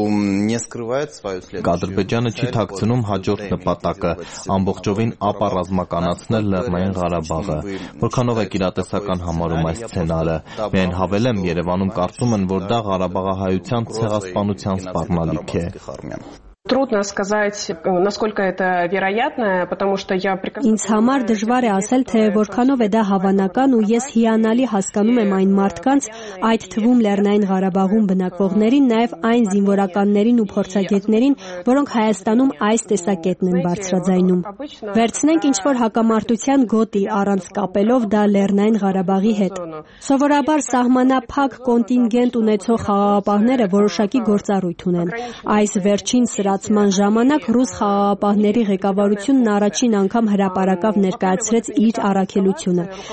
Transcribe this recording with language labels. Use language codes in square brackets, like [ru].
[hy] Ադրբեջանը չի թաքցնում հաջորդ նպատակը՝ ամբողջովին ապառազմականացնել Լեռնային Ղարաբաղը։ Որքանով է գիրատեսական համարում այս սցենարը։ Միայն հավելեմ, Երևանում կարծում են, որ դա Ղարաբաղահայության ցեղասպանության սպառնալիք է։ [ru] Трудно сказать, насколько это вероятно, потому что я прекрасно [hy] Ինձ համար դժվար է ասել, թե որքանով է դա հավանական, ու ես հիանալի հասկանում եմ այն մարդկանց, այդ թվում Լեռնային Ղարաբաղում բնակվողներին, նաև այն զինվորականներին ու փորձագետներին, որոնք Հայաստանում այս տեսակետն են բարձրաձայնում։ Վերցնենք ինչ որ հակամարտության գոտի առանց կապելով դա Լեռնային Ղարաբաղի հետ։ Սովորաբար սահմանափակ կոնտինգենտ ունեցող խաղաղապահները որոշակի գործառույթ ունեն։ Այս վերջին Սրացման ժամանակ ռուս խաղաղապահների ղեկավարությունն առաջին անգամ հրապարակավ ներկայացրեց իր առաքելությունը։